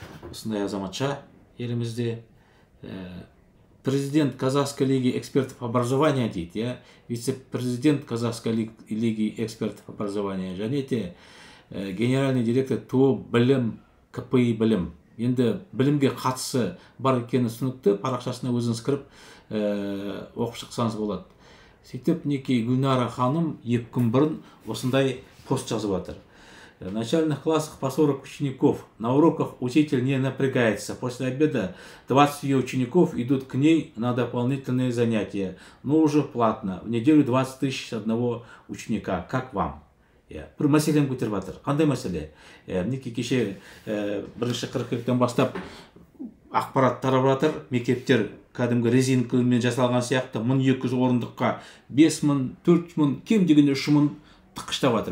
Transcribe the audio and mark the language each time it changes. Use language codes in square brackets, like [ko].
[kk] Осындай азаматша елімізде [ru] президент Казахской лиги экспертов образования [kk] дейді, [ru] вице-президент Казахской лиги экспертов образования [kk] және де [ru] генеральный директор ТУО білім КПИ білім. [kk] Енді білімге қатысы бар екені түсінікті, парақшасына өзіңіз кіріп оқып шықсаңыз болады. Сөйтіп неке Гүлнара ханым 2 күн бұрын осындай пост жазып жатыр. [ru] В начальных классах по 40 учеников. На уроках учитель не напрягается. После обеда 20 ее учеников идут к ней на дополнительные занятия. Но уже платно. В неделю 20 тысяч одного ученика. Как вам? [kk] Бір мәселем көтеріп жатыр. Қандай мәселе? Мінекей кеше 1-ші қыркүйектен бастап ақпарат тарап жатыр. Мектептер кәдімгі резинкамен жасалған сияқты 1200 орындыққа 5000, 4000, кем дегенде 3000 тықыштап жатыр.